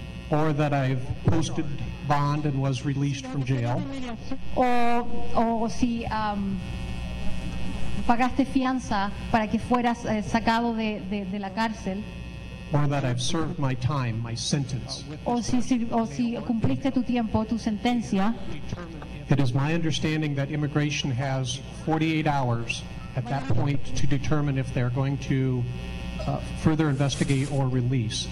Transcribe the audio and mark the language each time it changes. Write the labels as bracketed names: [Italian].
[English] or that I've posted bond and was released from jail, [Spanish] o si pagaste fianza para que fueras sacado de la cárcel, [English] or that I've served my time, my sentence, [Spanish] o si cumpliste tu tiempo, tu sentencia, [English] it is my understanding that immigration has 48 hours at that point to determine if they're going to further investigate or release.